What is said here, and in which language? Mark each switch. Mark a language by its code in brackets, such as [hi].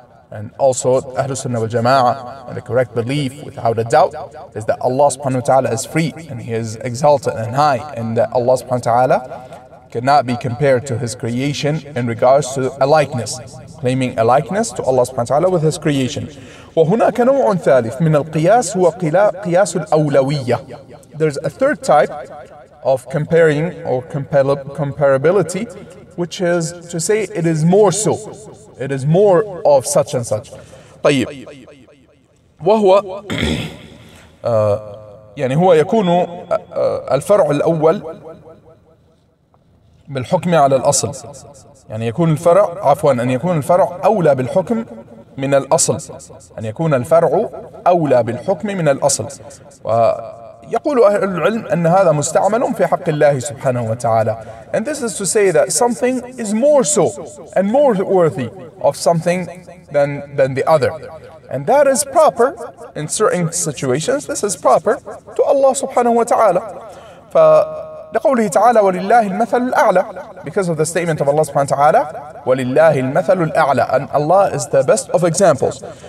[en] And also أهل السنة والجماعة, and the correct belief without a doubt is that Allah سبحانه وتعالى is free and He is exalted and high, and that Allah سبحانه وتعالى cannot be compared to His creation in regards to a likeness, claiming a likeness to Allah سبحانه وتعالى with His creation. [ar] وهناك نوع ثالث من القياس هو قياس الأولوية. [en] There's a third type of comparing or comparability, which is to say it is more so, it is more of such and such. [ar] طيب, وهو يعني هو يكون الفرع الأول بالحكم على الأصل, يعني يكون الفرع, عفوا, أن يكون الفرع أولى بالحكم من الأصل, أن يكون الفرع أولى بالحكم من الأصل. ويقول أهل العلم أن هذا مستعمل في حق الله سبحانه وتعالى. [en] And this is to say that something is more so and more worthy of something than the other. And that is proper in certain situations. This is proper to Allah سبحانه وتعالى. [ar] لقوله تعالى ولله المثل الأعلى, [en] because of the statement of Allah سبحانه وتعالى [ar] ولله المثل الأعلى, [en] and Allah is the best of examples.